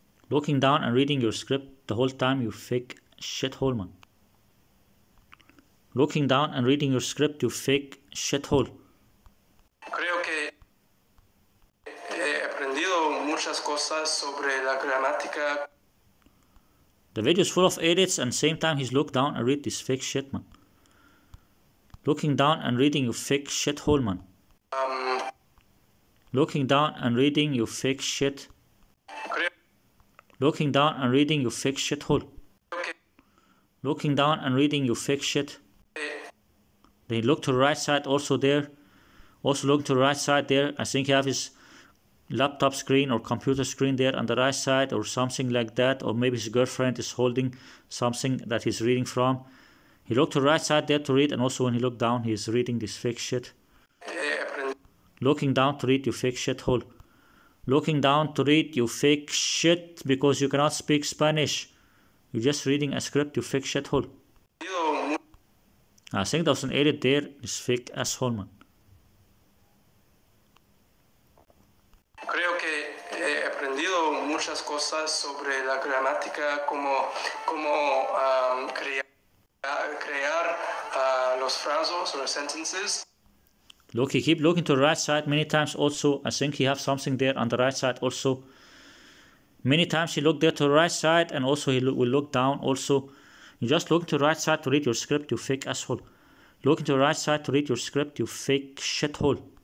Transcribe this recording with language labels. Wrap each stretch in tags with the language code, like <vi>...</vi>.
<en>Looking down and reading your script the whole time, you fake shithole, man. Looking down and reading your script, you fake shithole.</en> <es>Creo que he aprendido muchas cosas sobre la gramática.</es> <en>The video is full of edits, and same time he's looked down and read this fake shit, man. Looking down and reading, you fake shithole, man. Looking down and reading, you fake shit. Looking down and reading, you fake shithole. Okay. Looking down and reading, you fake shit. Okay. They look to the right side also there. Also look to the right side there. I think you have his laptop screen or computer screen there on the right side or something like that. Or maybe his girlfriend is holding something that he's reading from. He looked to the right side there to read, and also when he looked down, he's reading this fake shit. Looking down to read, you fake shithole. Looking down to read, you fake shit, because you cannot speak Spanish. You're just reading a script, you fake shithole. I think there was an edit there, this fake asshole, man.</en> <es>Creo que he aprendido muchas cosas sobre la gramática, como crear los frases</es> <en>or sentences. Look, he keep looking to the right side many times also. I think he have something there on the right side also. Many times he looked there to the right side, and also he will look down also. You just look to the right side to read your script, you fake asshole. Looking to the right side to read your script, you fake shithole.</en>